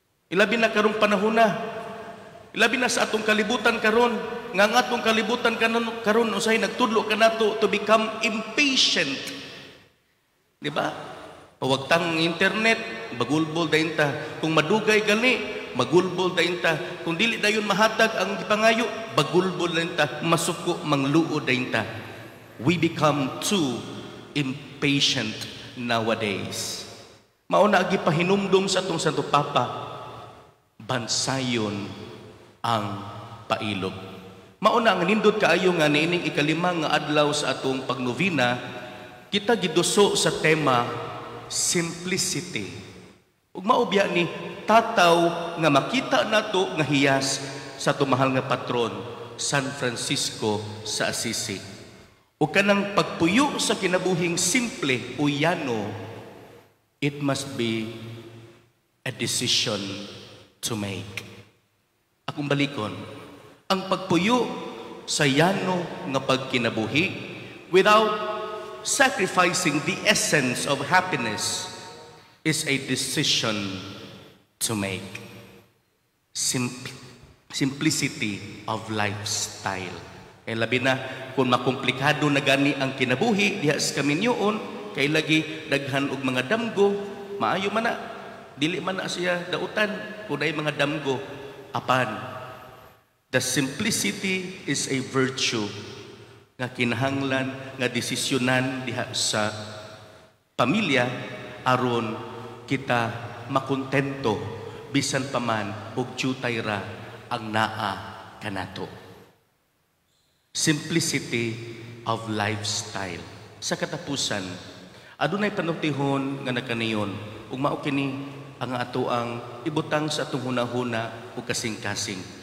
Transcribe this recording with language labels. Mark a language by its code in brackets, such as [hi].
[ceb] Ilabi na karong panahon na. Ilabi na sa atong kalibutan karon, nga ang atong kalibutan karon usay nagtudlo kanato [en] to become impatient. [ceb] Di ba? Pawagtang internet, magulbol dayon ta. Kung madugay gani, magulbol dayon ta. Kung dili dayon mahatag ang gipangayo, magulbol dayon ta. Masuko mangluo dayon ta. [en] We become too impatient nowadays. [ceb] Mauna agi pahinumdum sa atong Santo Papa, bansayon ang pailob. Mauna ang nindot kaayo nga nining ikalimang adlaw sa atong pagnovena, kita giduso sa tema simplicity. Ug maubya ni tataw nga makita nato nga hiyas sa tumahal nga patron San Francisco sa Assisi. O kanang pagpuyo sa kinabuhing simple o yano, [en] it must be a decision to make. [ceb] Akong balikon, ang pagpuyo sa yano nga pagkinabuhi [en] without sacrificing the essence of happiness is a decision to make. Simplicity of lifestyle. [ceb] Kaya labi na kung makomplikado na gani ang kinabuhi diha sa kaminyoon, kay lagi daghan og mga damgo, maayo man na, dili man na siya dautan kung ay mga damgo. Apan, [en] the simplicity is a virtue [ceb] nga kinahanglan, nga desisyonan diha sa pamilya aron kita makontento bisan pa man og tiyutay ra ang naa kanato. [en] Simplicity of lifestyle. [ceb] Sa katapusan, adunay panutihon nga nakaniyon, ug mao kini ang ato ang ibutang sa atong huna-huna o kasing-kasing.